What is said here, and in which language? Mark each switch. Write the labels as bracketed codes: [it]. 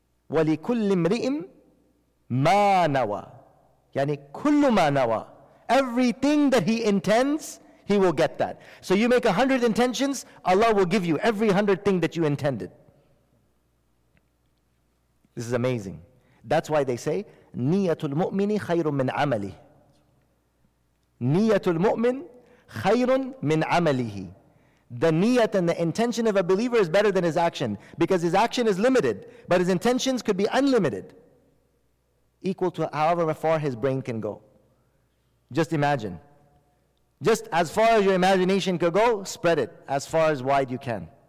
[ar] وَلِكُلِّ امْرِئٍ مَا نَوَى. يعني كُلُّ مَا نَوَى. [en] Everything that he intends, he will get that. So you make 100 intentions, Allah will give you every 100 thing that you intended. This is amazing. That's why they say, [ar] نِيَّةُ الْمُؤْمِنِ خَيْرٌ مِّنْ عَمَلِهِ. نِيَّةُ الْمُؤْمِنِ خَيْرٌ مِّنْ عَمَلِهِ. [en] The niyat and the intention of a believer is better than his action, because his action is limited, but his intentions could be unlimited, equal to however far his brain can go. Just imagine. Just as far as your imagination could go, spread it as far as wide you can.